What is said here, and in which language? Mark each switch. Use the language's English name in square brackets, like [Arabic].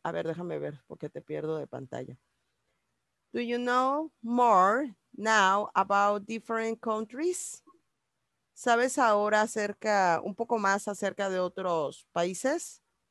[Spanish] A ver, déjame ver porque te pierdo de pantalla. [English] Do you know more now about different countries? [Spanish] ¿Sabes ahora acerca, un poco más acerca de otros países?